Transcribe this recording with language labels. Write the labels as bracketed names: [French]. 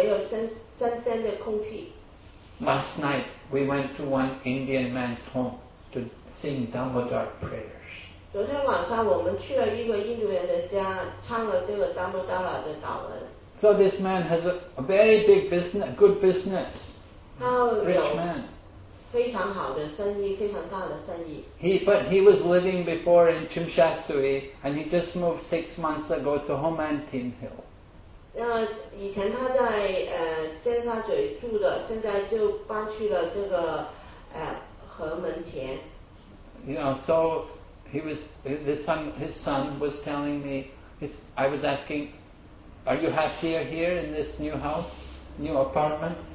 [Chinese] 所有的很多的地方都全都是空调，没有新鲜的空气。Last [English] night we went to one Indian man's home to sing Dhammadhar prayer. [Chinese] 昨天晚上我们去了一个印度人的家，唱了这个达摩达拉的祷文。 [English] So this man has a very big business, good business. Rich man. [Chinese] 非常好的生意，非常大的生意。 [English] But he was living before in Chimshatsui, and he just moved 6 months ago to Homantin Hill. [Chinese] 那以前他在尖沙咀住的，现在就搬去了这个禾门田。 [English] You know, so. His son was telling me, I was asking, are you happier here in this new house, new apartment?